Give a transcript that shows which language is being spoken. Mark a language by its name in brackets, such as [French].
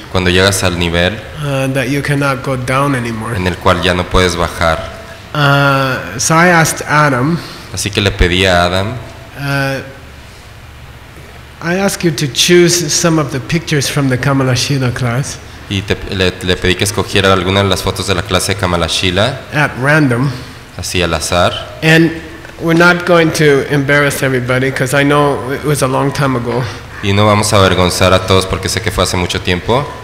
[Spanish] Cuando llegas al nivel. [English] That you cannot go down anymore. [Spanish] En el cual ya no puedes bajar. [English] So I asked Adam. [Spanish] Así que le pedí a Adam. [English] I asked you to choose some of the pictures from the Kamalashila class. [Spanish] Y le pedí que escogiera alguna de las fotos de la clase de Kamalashila. [English] At random. [Spanish] Así al azar. [English] And we're not going to embarrass everybody because I know it was a long time ago. [Spanish] Y no vamos a avergonzar a todos porque sé que fue hace mucho tiempo.